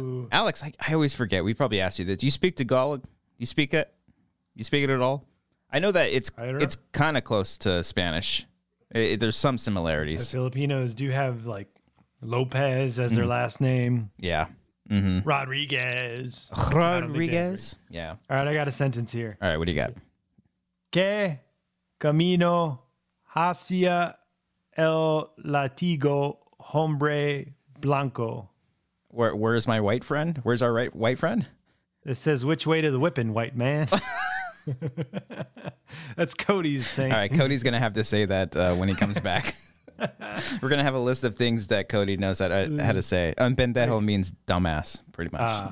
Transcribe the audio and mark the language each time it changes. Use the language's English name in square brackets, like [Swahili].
[English] Alex, I always forget. We probably asked you this. Do you speak Tagalog? You speak it at all? I know that it's kind of close to Spanish. There's some similarities. The Filipinos do have like Lopez as their last name. Yeah. Mm-hmm. Rodriguez. Rodriguez? Yeah. All right, I got a sentence here. All right, what do you got? [Spanish] ¿Qué camino hacia el latigo hombre blanco? [English] Where is my white friend? Where's our white friend? It says, which way to the whipping, white man? That's Cody's saying. All right, Cody's going to have to say that when he comes back. We're going to have a list of things that Cody knows that how to say. Pendejo means dumbass, pretty much.